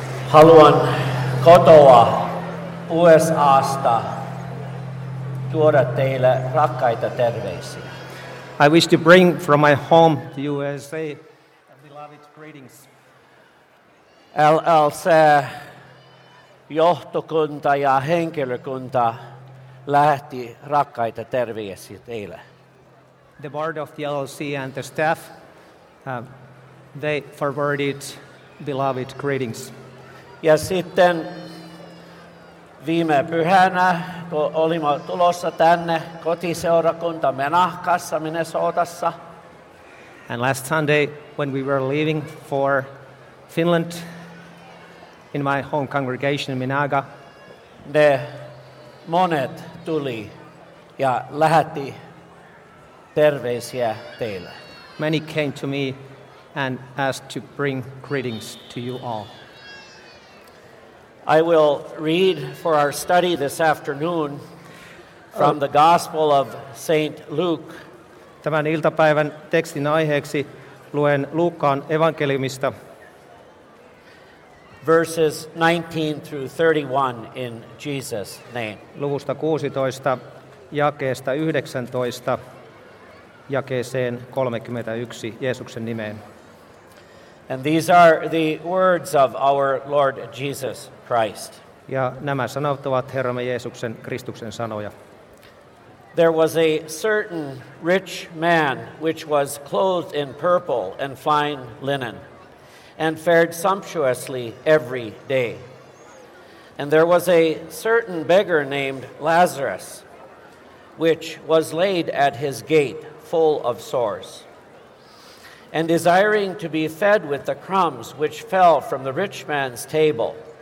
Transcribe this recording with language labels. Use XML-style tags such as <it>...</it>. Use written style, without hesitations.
<fi>Haluan kotoa USA:sta tuoda teille rakkaita terveisiä.</fi> <en>I wish to bring from my home to USA a beloved greetings.</en> <fi>LLC-johtokunta ja henkilökunta lähti rakkaita terveisiä teille.</fi> <en>The board of the LLC and the staff, they forwarded beloved greetings.</en> <fi>Ja sitten viime pyhänä, kun olimme tulossa tänne kotiseurakunta Menahkassa, Minnesotassa.</fi> <en>And last Sunday, when we were leaving for Finland, in my home congregation in Minaga,</en> <fi>ne monet tuli ja lähti terveisiä teille.</fi> <en>Many came to me and asked to bring greetings to you all. I will read for our study this afternoon from the Gospel of St. Luke.</en> <fi>Tämän iltapäivän tekstin aiheeksi luen Luukkaan evankeliumista.</fi> <en>Verses 19 through 31 in Jesus' name.</en> <fi>Luvusta 16, jakeesta 19, jakeeseen 31 Jeesuksen nimeen.</fi> <en>And these are the words of our Lord Jesus Christ.</en> <fi>Ja nämä sanat ovat Herramme Jeesuksen Kristuksen sanoja.</fi> <en>There was a certain rich man which was clothed in purple and fine linen and fared sumptuously every day. And there was a certain beggar named Lazarus which was laid at his gate full of sores, and desiring to be fed with the crumbs which fell from the rich man's table.</en>